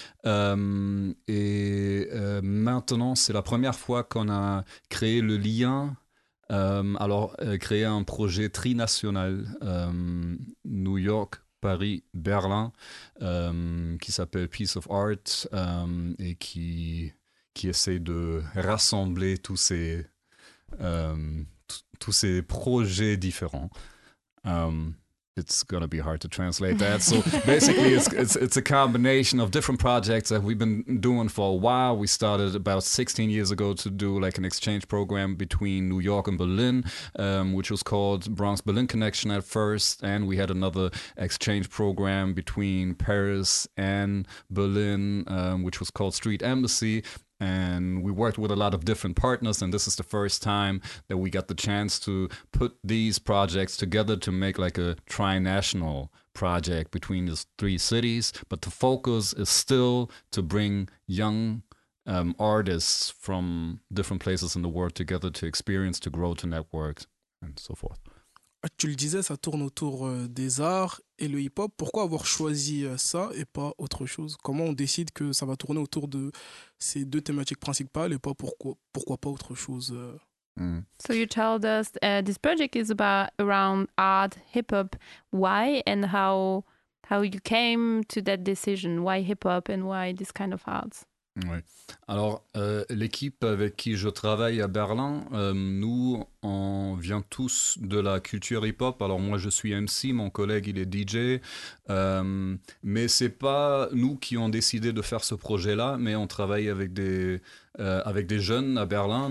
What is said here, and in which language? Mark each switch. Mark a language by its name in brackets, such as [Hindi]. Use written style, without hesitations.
[French] Maintenant, c'est la première fois qu'on a créé le lien, créé un projet trinational, New York, Paris, Berlin, qui s'appelle Piece of Art et qui essaie de rassembler tous ces projets différents. [English] It's gonna be hard to translate that. So basically, it's a combination of different projects that we've been doing for a while. We started about 16 years ago to do like an exchange program between New York and Berlin, which was called Bronx Berlin Connection at first. And we had another exchange program between Paris and Berlin, which was called Street Embassy. And we worked with a lot of different partners, and this is the first time that we got the chance to put these projects together to make like a tri-national project between these three cities. But the focus is still to bring young artists from different places in the world together to experience, to grow, to network, and so forth. [French] Tu le disais, ça tourne autour des arts et le hip-hop. Pourquoi avoir choisi ça et pas autre chose? Comment on décide que ça va tourner autour de ces deux thématiques principales et pas pourquoi pas autre chose? [English] So you told us this project is about around art, hip-hop. Why and how you came to that decision? Why hip-hop and why this kind of arts? [French] Oui. Alors, l'équipe avec qui je travaille à Berlin, nous, on vient tous de la culture hip-hop. Alors moi, je suis MC, mon collègue, il est DJ. Mais ce n'est pas nous qui avons décidé de faire ce projet-là, mais on travaille avec des jeunes à Berlin.